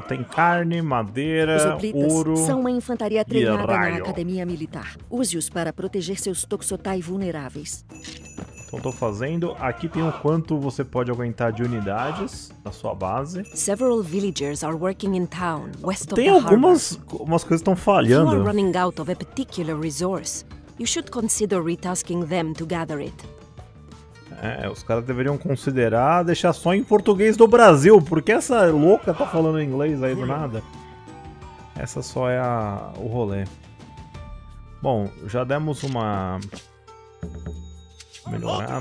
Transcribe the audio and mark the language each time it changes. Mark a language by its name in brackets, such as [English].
[Portuguese] Tem carne, madeira, ouro. Os Hoplitas são uma infantaria treinada na Academia Militar. Use-os para proteger seus Toxotai vulneráveis. Então tô fazendo. Aqui tem o quanto você pode aguentar de unidades na sua base. [English] Several villagers are working in town, west of the harbor. [Portuguese] Tem algumas coisas estão falhando. [English] You are running out of a particular resource. You should consider retasking them to gather it. [Portuguese] É, os caras deveriam considerar deixar só em português do Brasil, porque essa louca tá falando inglês aí do nada. Essa só é o rolê. Bom, já demos uma melhorada.